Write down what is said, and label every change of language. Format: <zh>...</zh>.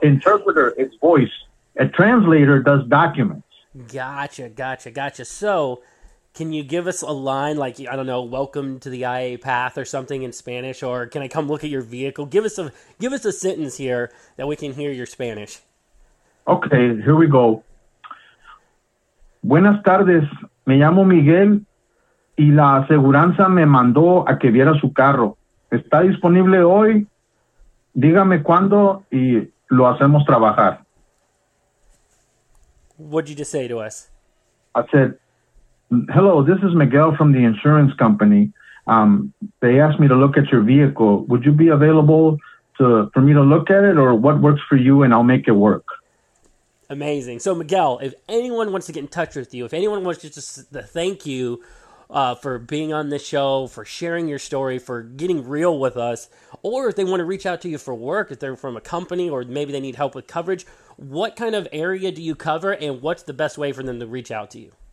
<en>Yeah. Interpreter, it's voice. A translator does documents. Gotcha. So can you give us a line like, I don't know, welcome to the IA path or something in Spanish, or can I come look at your vehicle? Give us a sentence here that we can hear your Spanish. Okay, here we go.</en> <es>Buenas tardes, me llamo Miguel y la aseguranza me mandó a que viera su carro. Está disponible hoy, dígame cuándo y lo hacemos trabajar.</es> <en>What'd you just say to us? I said, hello, this is Miguel from the insurance company. They asked me to look at your vehicle. Would you be available for me to look at it, or what works for you, and I'll make it work? Amazing. So, Miguel, if anyone wants to get in touch with you, if anyone wants to just thank you for being on this show, for sharing your story, for getting real with us, or if they want to reach out to you for work, if they're from a company or maybe they need help with coverage, what kind of area do you cover, and what's the best way for them to reach out to you?</en>